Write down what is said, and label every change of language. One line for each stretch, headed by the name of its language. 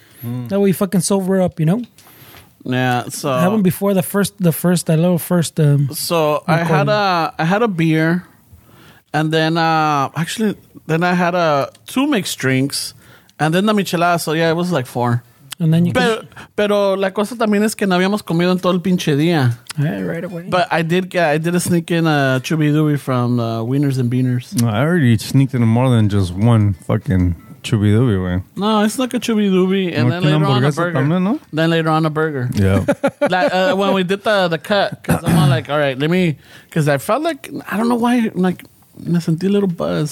English: That way you fucking sober up, you know. Yeah. So have them before the first. So recording. I had a beer, and then I had a 2 mixed drinks, and then the michelada. So yeah, it was like 4. And then
Spanish: pero la cosa también es que no habíamos comido en todo el pinche día.
English: Yeah, right away. But I did sneak in a chubidubi from Wieners and Beaners. No, I already sneaked in more than just one fucking chubidubi, man. No, it's not like a chubidubi. And no, then later on a burger.
Spanish: También, no?
English: Then later on a burger. Yeah. Like, when we did the cut, because I'm all like, all right, let me, because I felt like, I don't know why, like,
Spanish: me sentí
English: a little buzz.